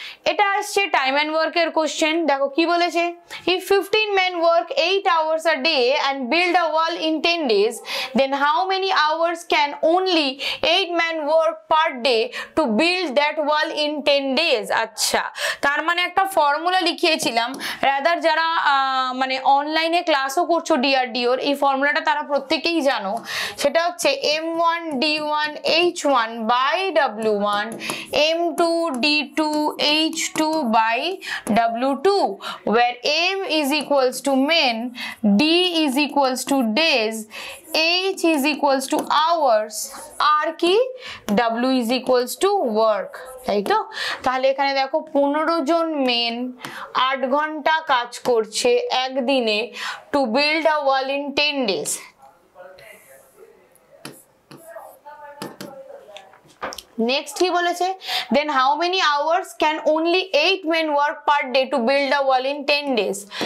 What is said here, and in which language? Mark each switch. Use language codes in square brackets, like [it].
[bn] এটা আসছে time and ওয়ার্কের কোশ্চেন। দেখো কি বলেছে, [en] If 15 men work 8 hours a day and build a wall in 10 days then how many hours can only 8 men work per day to build that wall in 10 days. [bn] আচ্ছা, তার মানে একটা formula লিখিয়েছিলাম, rather যারা মানে অনলাইনে ক্লাসও করছো DRDO এই ফর্মুলাটা তারা প্রত্যেকেই জানো, সেটা হচ্ছে M1D1H1/W1 M2D2H2/W2 [en] where M is equals to men, D is equals to days, H is equals to hours, R কি, W is equals to work, [bn] তাই তো? তাহলে এখানে দেখো 15 জন মেন 8 ঘন্টা কাজ করছে একদিনে [en] To build a wall in 10 days. [bn] Next কি বলেছে, [en] Then how many hours can only 8 men work per day to build a wall in 10 days.